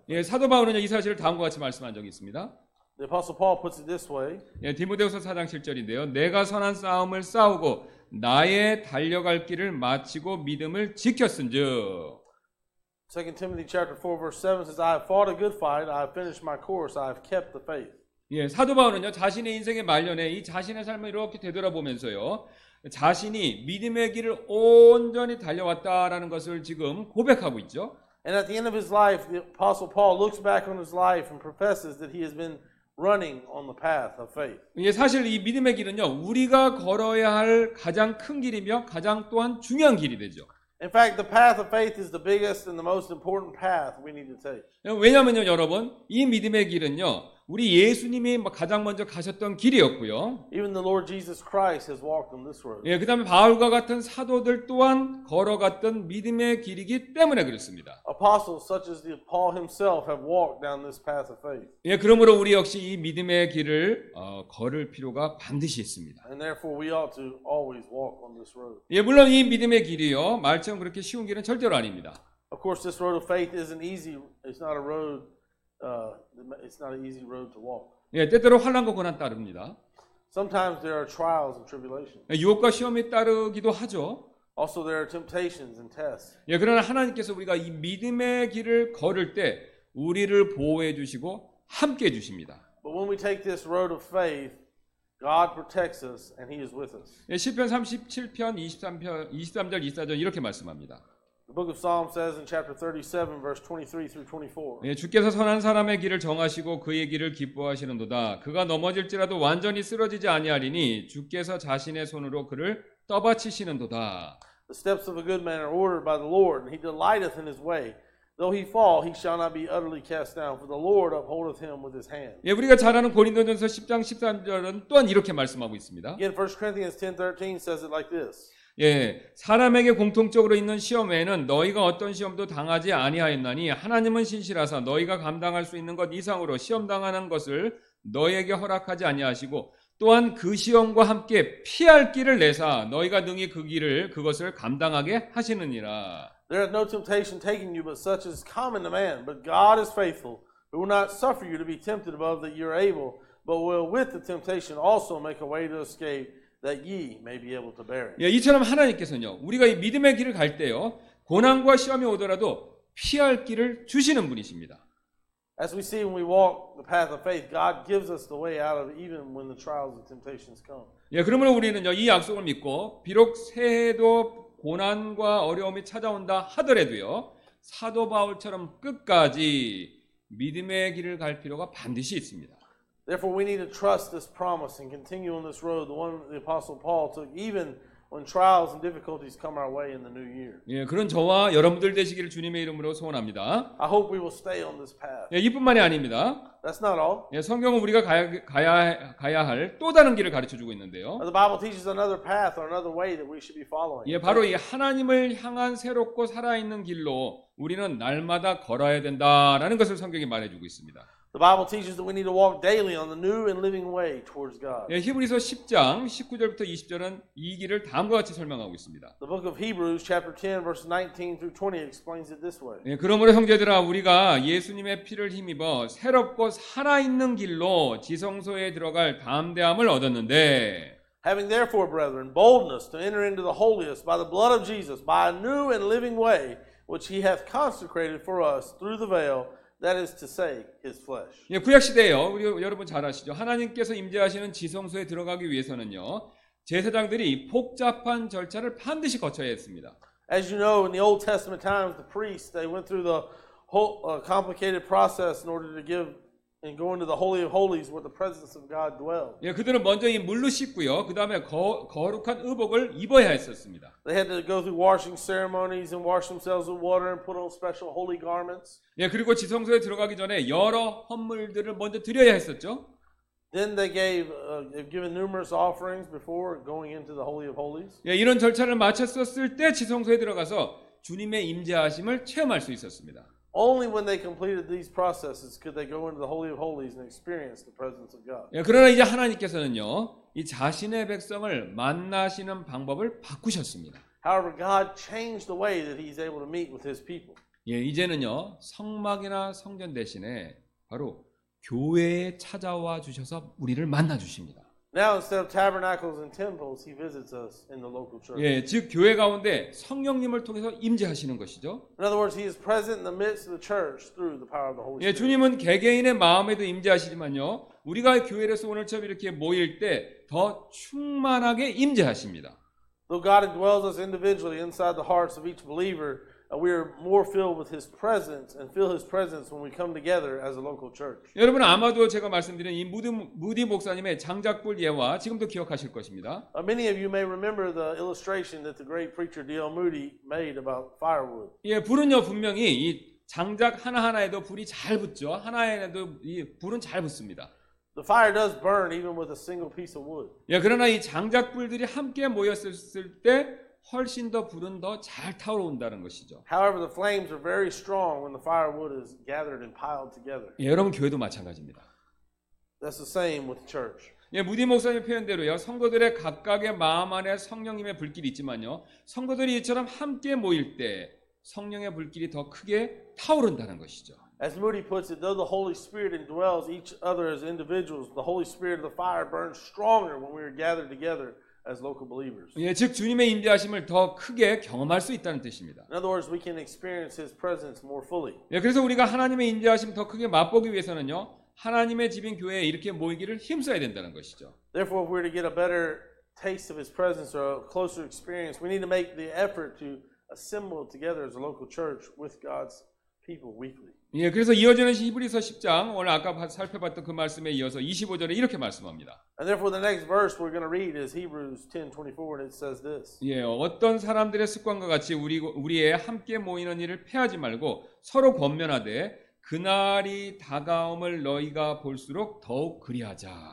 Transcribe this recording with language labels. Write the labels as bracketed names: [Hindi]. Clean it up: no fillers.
[Korean] 예, 사도 바울은 이 사실을 다음과 같이 말씀한 적이 있습니다. [English] The Apostle Paul puts it this way. [Korean] 예, 디모데후서 4장 7절인데요. 내가 선한 싸움을 싸우고 나의 달려갈 길을 마치고 믿음을 지켰은즉. [English] Second Timothy chapter 4 verse 7 says, "I have fought a good fight, I have finished my course, I have kept the faith." [Korean] 예, 사도 바울은요 자신의 인생의 말년에 이 자신의 삶을 이렇게 되돌아보면서요 자신이 믿음의 길을 온전히 달려왔다라는 것을 지금 고백하고 있죠. [English] And at the end of his life, the Apostle Paul looks back on his life and professes that he has been running on the path of faith. [Korean] 예, 사실 이 믿음의 길은요 우리가 걸어야 할 가장 큰 길이며 가장 또한 중요한 길이 되죠. [English] In fact, the path of faith is the biggest and the most important path we need to take. [Korean] 왜냐하면요, 여러분, 이 믿음의 길은요, 우리 예수님이 가장 먼저 가셨던 길이었고요. [English] Even the Lord Jesus Christ has walked on this road. [Korean] 예, 그다음에 바울과 같은 사도들 또한 걸어갔던 믿음의 길이기 때문에 그렇습니다. [English] Apostles such as Paul himself have walked down this path of faith. [Korean] 예, 그러므로 우리 역시 이 믿음의 길을 걸을 필요가 반드시 있습니다. [English] And therefore, we ought to always walk on this road. [Korean] 예, 물론 이 믿음의 길이요, 말처럼 그렇게 쉬운 길은 절대로 아닙니다. [English] Of course, this road of faith isn't easy. It's not a road. It's not an easy road to walk. [Korean] 예, 때때로 환난과 고난 따릅니다. [English] Sometimes there are trials and tribulations. [Korean] 예, 유혹과 시험이 따르기도 하죠. [English] Also there are temptations and tests. [Korean] 예, 그러나 하나님께서 우리가 이 믿음의 길을 걸을 때 우리를 보호해 주시고 함께 해 주십니다. [English] But when we take this road of faith, God protects us and he is with us. [Korean] 예, 시편 37편 23절 24절 이렇게 말씀합니다. [English] The book of Psalms says in chapter 37, verse 23 through 24. [Korean] 예, 주께서 선한 사람의 길을 정하시고 그의 길을 기뻐하시는도다. 그가 넘어질지라도 완전히 쓰러지지 아니하리니 주께서 자신의 손으로 그를 떠받치시는도다. [English] The steps of a good man are ordered by the Lord, and he delighteth in his way. Though he fall, he shall not be utterly cast down, for the Lord upholdeth him with his hand. [Korean] 예, 우리가 잘 아는 고린도전서 10장 13절은 또한 이렇게 말씀하고 있습니다. [English] Again, 1 Corinthians 10:13 says it like this. [Korean] 예, 사람에게 공통적으로 있는 시험 외에는 너희가 어떤 시험도 당하지 아니하였나니 하나님은 신실하사 너희가 감당할 수 있는 것 이상으로 시험 당하는 것을 너희에게 허락하지 아니하시고 또한 그 시험과 함께 피할 길을 내사 너희가 능히 그 길을 그것을 감당하게 하시느니라. [English] There is no temptation taking you but such as is common to man, but God is faithful, who will not suffer you to be tempted above that you are able, but will with the temptation also make a way to escape. That ye may be able to bear it. [Korean] 예, 이처럼 하나님께서는요, 우리가 이 믿음의 길을 갈 때요, 고난과 시험이 오더라도 피할 길을 주시는 분이십니다. [English] As we see when we walk the path of faith, God gives us the way out of it, even when the trials and temptations come. [Korean] 예, 그러므로 우리는요, 이 약속을 믿고 비록 새해도 고난과 어려움이 찾아온다 하더라도요, 사도 바울처럼 끝까지 믿음의 길을 갈 필요가 반드시 있습니다. [English] Therefore, we need to trust this promise and continue on this road, the one the Apostle Paul took, even when trials and difficulties come our way in the new year. [Korean] 예, 그런 저와 여러분들 되시기를 주님의 이름으로 소원합니다. [English] I hope we will stay on this path. [Korean] 예, 이뿐만이 아닙니다. [English] That's not all. [Korean] 예, 성경은 우리가 가야 할 또 다른 길을 가르쳐 주고 있는데요. [English] The Bible teaches another path or another way that we should be following. [Korean] 예, 바로 이 하나님을 향한 새롭고 살아있는 길로 우리는 날마다 걸어야 된다라는 것을 성경이 말해주고 있습니다. [English] The Bible teaches that we need to walk daily on the new and living way towards God. [Korean] 예, 히브리서 10장 19절부터 20절은 이 길을 다음과 같이 설명하고 있습니다. [English] The book of Hebrews chapter 10 verse 19 through 20 explains it this way. [Korean] 예, 그러므로 형제들아 우리가 예수님의 피를 힘입어 새롭고 살아있는 길로 지성소에 들어갈 담대함을 얻었는데 [English] Having therefore brethren boldness to enter into the holiest by the blood of Jesus by a new and living way which he hath consecrated for us through the veil That is to say, his flesh. [Korean] 예, 구약 시대에요. 우리 여러분 잘 아시죠? 하나님께서 임재하시는 지성소에 들어가기 위해서는요, 제사장들이 복잡한 절차를 반드시 거쳐야 했습니다. [English] As you know, in the Old Testament times, the priests they went through the whole complicated process in order to give and go into the Holy of Holies, where the presence of God dwells. [Korean] 예, 그들은 먼저 이 물로 씻고요, 그 다음에 거룩한 의복을 입어야 했었습니다. [English] They had to go through washing ceremonies and wash themselves with water and put on special holy garments. [Korean] 예, 그리고 지성소에 들어가기 전에 여러 헌물들을 먼저 드려야 했었죠. [English] Then they gave given numerous offerings before going into the Holy of Holies. [Korean] 예, 이런 절차를 마쳤었을 때 지성소에 들어가서 주님의 임재하심을 체험할 수 있었습니다. [English] Only when they completed these processes could they go into the Holy of Holies and experience the presence of God. [Korean] 예, 그러나 이제 하나님께서는요, 이 자신의 백성을 만나시는 방법을 바꾸셨습니다. [English] However, God changed the way that He's able to meet with His people. [Korean] 예, 이제는요, 성막이나 성전 대신에 바로 교회에 찾아와 주셔서 우리를 만나 주십니다. [English] Now instead of tabernacles and temples, he visits us in the local church. [Korean] 예, 즉 교회 가운데 성령님을 통해서 임재하시는 것이죠. [English] In other words, he is present in the midst of the church through the power of the Holy Spirit. [Korean] 예, 주님은 개개인의 마음에도 임재하시지만요. 우리가 교회에서 오늘처럼 이렇게 모일 때 더 충만하게 임재하십니다. [English] Though God indwells us individually inside the hearts of each believer, we are more filled with His presence and feel His presence when we come together as a local church. [Korean] 여러분 아마도 제가 말씀드린 이 무디 목사님의 장작불 예화 지금도 기억하실 것입니다. [English] Many of you may remember the illustration that the great preacher D.L. Moody made about firewood. [Korean] 예, 불은요 분명히 이 장작 하나 하나에도 불이 잘 붙죠. 하나에도 이 불은 잘 붙습니다. [English] The fire does burn even with a single piece of wood. [Korean] 예, 그러나 이 장작불들이 함께 모였을 때 훨씬 더 불은 더 잘 타오른다는 것이죠. [English] However, the flames are very strong when the firewood is gathered and piled together. [Korean] 예, 여러분 교회도 마찬가지입니다. [English] That's the same with the church. [Korean] 예, 무디 목사님 표현대로요. 성도들의 각각의 마음 안에 성령님의 불길이 있지만요. 성도들이 이처럼 함께 모일 때 성령의 불길이 더 크게 타오른다는 것이죠. [English] As Moody puts it, though the Holy Spirit indwells each other as individuals, the Holy Spirit of the fire burns stronger when we are gathered together as local believers. [Korean] 예, 즉 주님의 임재하심을 더 크게 경험할 수 있다는 뜻입니다. [English] In other words, we can experience His presence more fully. [Korean] 예, 그래서 우리가 하나님의 임재하심 더 크게 맛보기 위해서는요, 하나님의 집인 교회에 이렇게 모이기를 힘써야 된다는 것이죠. [English] Therefore, if we're to get a better taste of His presence or a closer experience, we need to make the effort to assemble together as a local church with God's people weekly. [Korean] 예, 그래서 이어지는 히브리서 10장 오늘 아까 살펴봤던 그 말씀에 이어서 25절에 이렇게 말씀합니다. [English] And therefore the next verse we're going to read is Hebrews 10:24 and it says this. [Korean] 예, 어떤 사람들의 습관과 같이 우리의 함께 모이는 일을 폐하지 말고 서로 권면하되 그날이 다가옴을 너희가 볼수록 더욱 그리하자.